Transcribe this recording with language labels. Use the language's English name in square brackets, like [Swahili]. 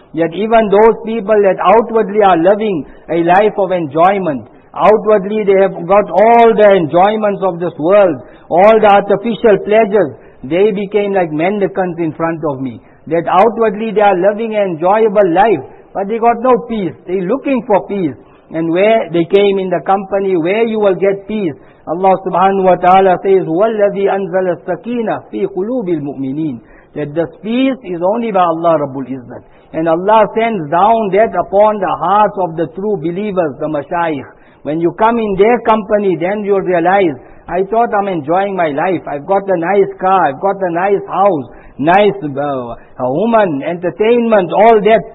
[English] Yet even those people that outwardly are living a life of enjoyment, outwardly they have got all the enjoyments of this world, all the artificial pleasures, they became like mendicants in front of me. That outwardly they are living an enjoyable life, but they got no peace. They are looking for peace. And where they came in the company, where you will get peace. Allah subhanahu wa ta'ala says, [Arabic] وَالَّذِي أَنزَلَ السَّكِينَةَ فِي قُلُوبِ الْمُؤْمِنِينَ. [English] That this peace is only by Allah Rabbul Izzat. And Allah sends down that upon the hearts of the true believers, the mashayikh. When you come in their company, then you realize, I thought I'm enjoying my life. I've got a nice car, I've got a nice house, nice woman, entertainment, all that.